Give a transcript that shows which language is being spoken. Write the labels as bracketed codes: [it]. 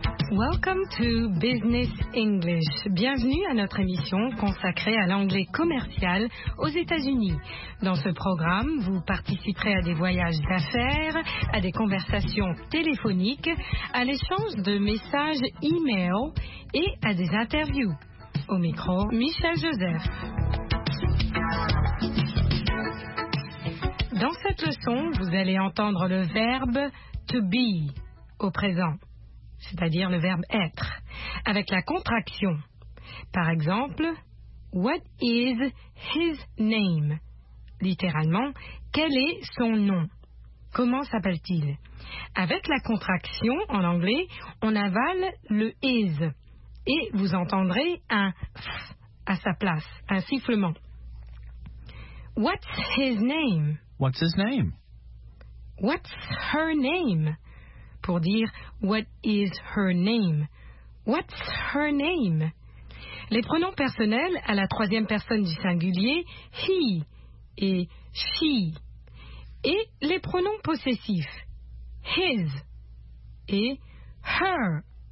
[en] Welcome to Business English. [fr] Bienvenue à notre émission consacrée à l'anglais commercial aux États-Unis. Dans ce programme, vous participerez à des voyages d'affaires, à des conversations téléphoniques, à l'échange de messages e-mail et à des interviews. Au micro, Michel Joseph. Dans cette leçon, vous allez entendre le verbe to be au présent, c'est-à-dire le verbe être, avec la contraction. Par exemple, [en] what is his name? [fr] Littéralement, quel est son nom? Comment s'appelle-t-il? Avec la contraction, en anglais, on avale le is et vous entendrez un f à sa place, un sifflement. [en] What's his name? What's his name? What's her name? [fr] Pour dire [en] what is her name? What's her name? [fr] Les pronoms personnels à la troisième personne du singulier, he et she. Et les pronoms possessifs, his et her.